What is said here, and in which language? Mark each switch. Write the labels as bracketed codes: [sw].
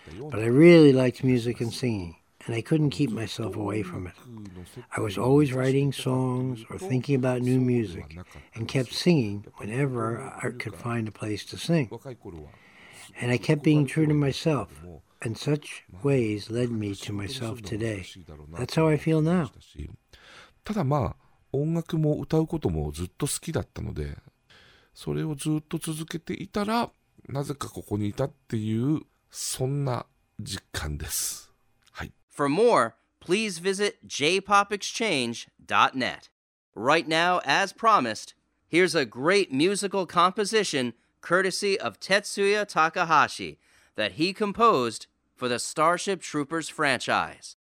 [en] But I really liked music and singing, and I couldn't keep myself away from it. I was always writing songs or thinking about new music and kept singing whenever I could find a place to sing. And I kept being true to myself, and such ways led me to myself today. That's how I feel now. [ja] ただまあ、音楽も歌うこともずっと好きだったので、それをずっと続けていたら、なぜかここにいたっていう、そんな実感です。はい。 [en] For more, please visit jpopexchange.net. Right now, as promised, here's a great musical composition courtesy of Tetsuya Takahashi that he composed for the Starship Troopers franchise.